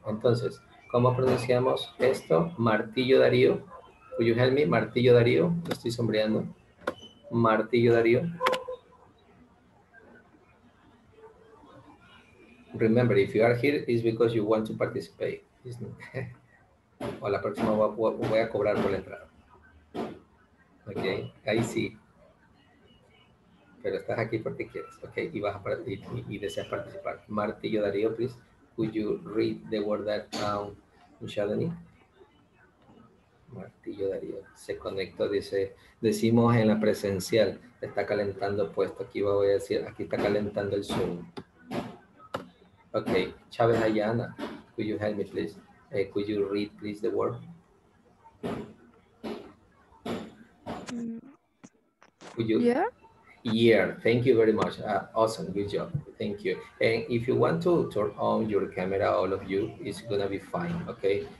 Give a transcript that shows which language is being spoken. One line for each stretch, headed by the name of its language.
Spanish: Entonces, ¿cómo pronunciamos esto? Martillo Darío,
English: will you help me?
Spanish: Martillo Darío, lo estoy sombreando. Martillo Darío.
English: Remember, if you are here, it's because you want to participate, isn't it?
Spanish: O la próxima voy a cobrar por la entrada. Okay, ahí sí. Pero estás aquí porque quieres. Okay, y vas a y deseas participar. Martillo Darío, please.
English: Could you read the word that down, Michelle?
Spanish: Martillo Darío. Se conectó, dice. Decimos en la presencial. Está calentando puesto. Aquí voy a decir, aquí está calentando el Zoom.
English: Okay, Chávez Ayana, could you help me, please? Could you read, please, the word? Could you? Yeah. Yeah, thank you very much. Awesome, good job. Thank you. And if you want to turn on your camera, all of you, it's going to be fine, okay?